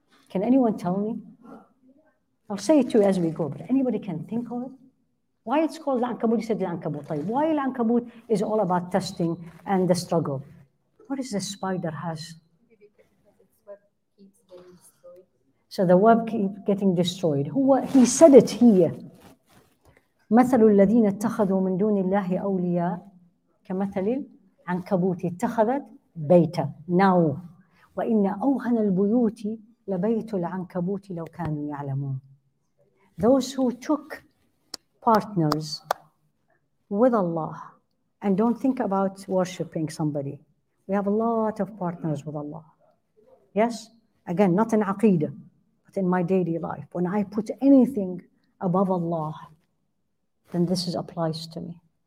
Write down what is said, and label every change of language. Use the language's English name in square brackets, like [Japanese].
[English] Can anyone tell me? I'll say it to you as we go, but anybody can think of it? Why it's called Al-Ankabut? You said Al-Ankabut. Why Al-Ankabut is all about testing and the struggle? What is the spider has? So the web keeps getting destroyed. He said it here. [Arabic] مثل الذين اتخذوا من دون الله أولياء كمثل العنكبوت اتخذت بيتا. [English] Now, [Arabic] وإن أوهن البيوت لبيت العنكبوت لو كانوا يعلمون. [English] Those who took partners with Allah and don't think about worshiping somebody. We have a lot of partners with Allah. Yes? Again, not in عقيدة, but in my daily life. When I put anything above Allah, then this is applies to me.